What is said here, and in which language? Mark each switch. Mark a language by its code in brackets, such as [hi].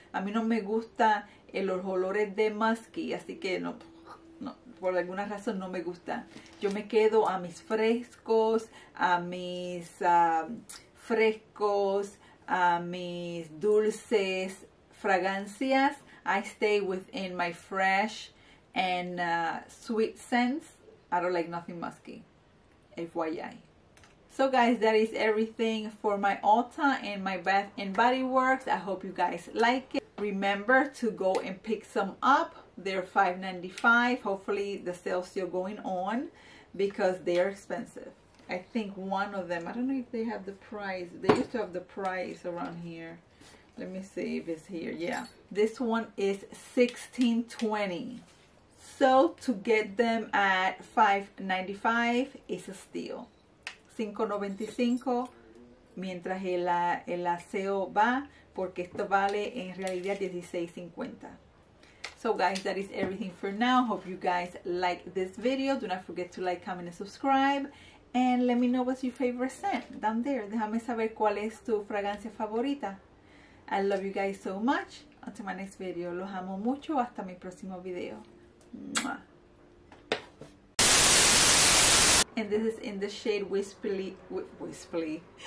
[es] A mí no me gusta los olores de musky, así que no, por alguna razón no me gusta. Yo me quedo a mis frescos, a mis frescos, a mis dulces fragancias. [en] I stay within my fresh and sweet scents. I don't like nothing musky, FYI. So guys, that is everything for my Ulta and my Bath and Body Works. I hope you guys like it. Remember to go and pick some up. They're $5.95. Hopefully the sale's still going on because they're expensive. I think one of them, I don't know if they have the price. They used to have the price around here. Let me see if it's here. Yeah, this one is $16.20. So to get them at $5.95 is a steal. [es] $5.95 mientras el aseo va, porque esto vale en realidad $16.50. [en] So guys, that is everything for now. Hope you guys like this video. Do not forget to like, comment, and subscribe. And let me know what's your favorite scent down there. [es] Déjame saber cuál es tu fragancia favorita. [en] I love you guys so much. Until my next video. [es] Los amo mucho. Hasta mi próximo video. [en] Mwah. And this is in the shade Whisply.